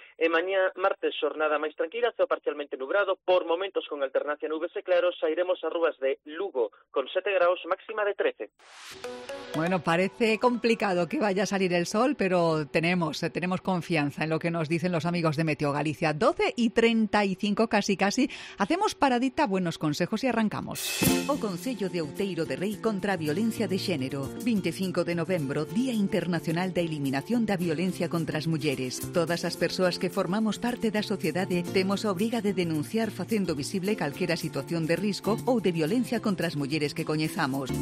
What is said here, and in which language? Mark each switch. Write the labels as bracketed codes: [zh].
[gl] E mañá, martes, xornada máis tranquila, ceo parcialmente nubrado, por momentos con alternancia nubes e claros, sairemos a rúas de Lugo con 7 graus, máxima de 13. [es] Bueno, parece complicado que vaya a salir el sol, pero tenemos confianza en lo que nos dicen los amigos de Meteo Galicia. 12:35, casi. Hacemos paradita, buenos consejos y arrancamos. [gl] O Concello de Outeiro de Rei contra a Violencia de Xénero. 25 de novembro, Día Internacional da Eliminación da Violencia contra as Mulleres. Todas as persoas que formamos parte da sociedade temos a obriga de denunciar facendo visible calquera situación de risco ou de violencia contra as mulleres que coñezamos.